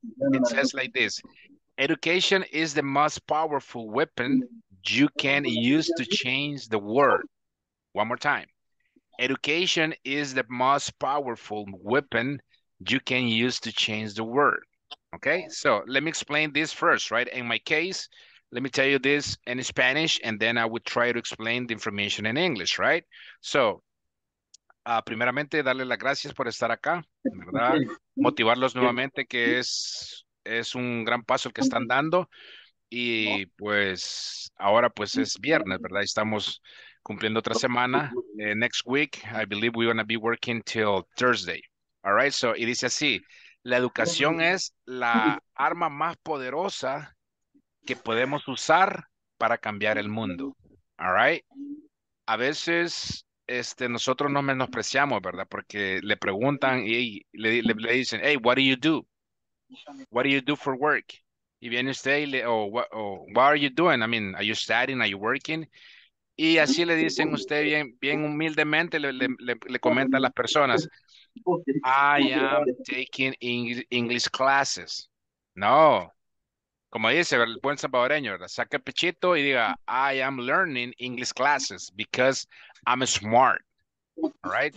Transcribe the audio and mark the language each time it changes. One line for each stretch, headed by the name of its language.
English: It says like this: education is the most powerful weapon you can use to change the world. One more time. Education is the most powerful weapon you can use to change the world. Okay, so let me explain this first, right? In my case, let me tell you this in Spanish, and then I would try to explain the information in English, right?
Spanish: So, primeramente, darle las gracias por estar acá, ¿verdad? Motivarlos nuevamente, que es un gran paso el que están dando. Y pues, ahora pues es viernes, ¿verdad? Estamos cumpliendo otra semana.
English: Next week, I believe we're going to be working till Thursday. All right, so
Spanish: y dice así. La educación es la arma más poderosa que podemos usar para cambiar el mundo.
English: All right.
Spanish: A veces nosotros nos menospreciamos, ¿verdad? Porque le preguntan y le dicen,
English: hey, what do you do? What do you do for work?
Spanish: Y viene usted y le,
English: what are you doing? I mean, are you studying? Are you working?
Spanish: Y así le dicen usted bien humildemente, le comentan las personas.
English: I am taking English classes. No.
Spanish: Como dice el buen salvadoreño, saque pechito y diga,
English: I am learning English classes because I'm smart. All right?